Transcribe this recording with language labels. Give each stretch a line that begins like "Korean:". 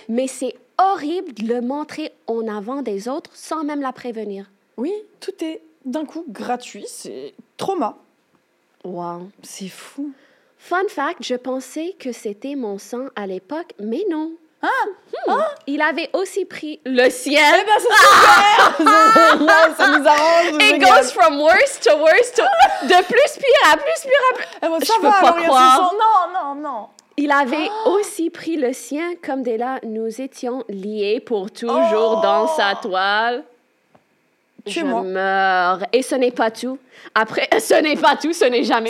French: Mais c'est horrible de le montrer en avant des autres sans même la prévenir. Oui, tout est d'un coup gratuit. C'est trauma. Waouh. C'est fou. Fun fact, je pensais que c'était mon sang à l'époque, mais non. Ah! Hmm. Ah. Il avait aussi pris le ciel. Eh bien, c'est super! Ah. Ça nous arrange.
English: It goes from worse to worse to...
French: De plus pire à plus pire à plus... Eh ben, ça je va, peux pas croire. Non, non, non. Il avait aussi pris le sien, comme dès là, nous étions liés pour toujours dans sa toile. Tue-moi. Je meurs. Et ce n'est pas tout. Après, ce n'est pas tout, ce n'est jamais